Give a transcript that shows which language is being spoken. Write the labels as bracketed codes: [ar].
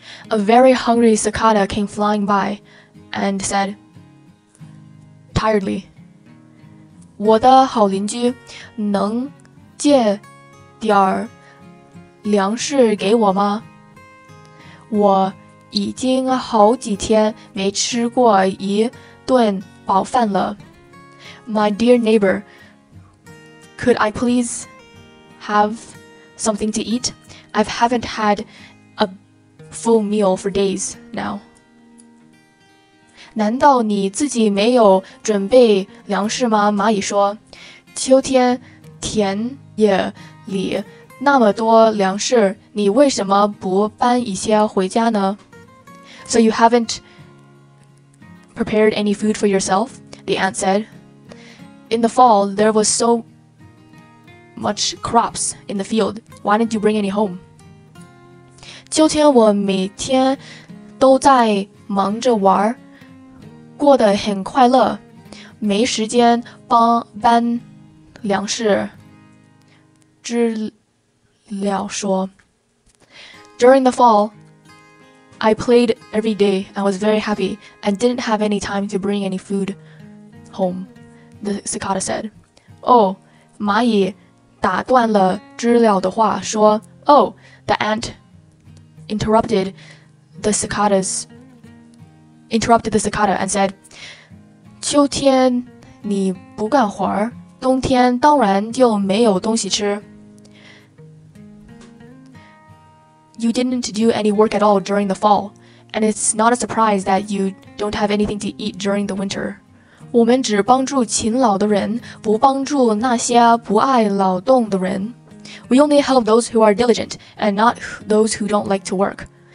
[en] A very hungry cicada came flying by and said, tiredly, [zh] 我的好邻居能借点粮食给我吗？我已经好几天没吃过一顿饱饭了。 [en] My dear neighbor, could I please have something to eat? I haven't had a full meal for days now. [zh] 难道你自己没有准备粮食吗？蚂蚁说，秋天田野里那么多粮食，你为什么不搬一些回家呢？ [en] So you haven't prepared any food for yourself? The ant said. In the fall, there was so much crops in the field. Why didn't you bring any home? [zh] 秋天我每天都在忙着玩，过得很快乐，没时间帮搬粮食。知了说。 [en] During the fall,I played every day and was very happy and didn't have any time to bring any food home, the cicada said. [zh] Oh, 蚂蚁打断了知了的话说 [en] Oh, the ant interrupted the cicada and said, [zh] 秋天你不干活儿，冬天当然就没有东西吃。 [en] You didn't do any work at all during the fall, and it's not a surprise that you don't have anything to eat during the winter. [zh] 我们只帮助勤劳的人，不帮助那些不爱劳动的人。 [en] We only help those who are diligent, and not those who don't like to work.